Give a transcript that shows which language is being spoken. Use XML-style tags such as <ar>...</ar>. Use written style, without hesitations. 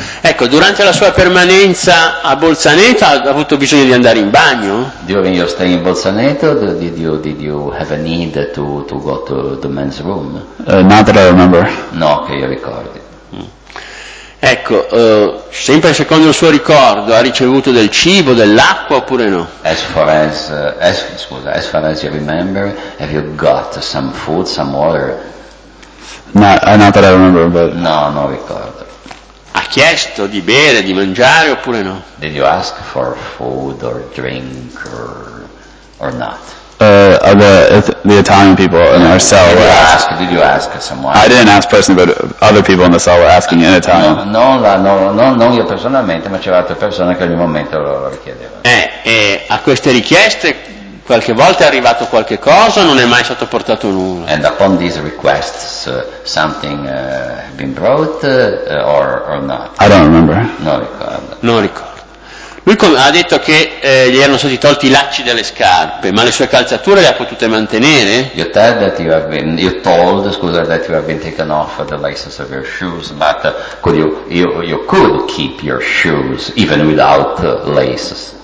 <it>Ecco, durante la sua permanenza a Bolzaneto ha avuto bisogno di andare in bagno?</it> <en>During your stay in Bolzaneto, did you have a need to go to the men's room? Not that I remember.</en> <it>No, che io ricordi. Ecco, sempre secondo il suo ricordo, ha ricevuto del cibo, dell'acqua oppure no?</it> <en>As far as you remember, have you got some food, some water? Not that I remember, but</en> <it>no, non ricordo. ha chiesto di bere, di mangiare oppure no?</it> <en>Did you ask for food or drink or not? The Italian people in our cell did were you ask, did you ask someone? I didn't ask personally, but other people in the cell were asking in Italian.</en> <it>No, io personalmente, ma c'erano altre persone che ogni momento lo richiedevano. A queste richieste qualche volta è arrivato qualche cosa, non è mai stato portato nulla.</it> <en>And upon these requests, something been brought or not? I don't remember.</en> <it>Non ricordo. Lui ha detto che gli erano stati tolti i lacci delle scarpe, ma le sue calzature le ha potute mantenere?</it> <en>You told that you have been taken off the laces of your shoes, but you could keep your shoes even without laces.</en>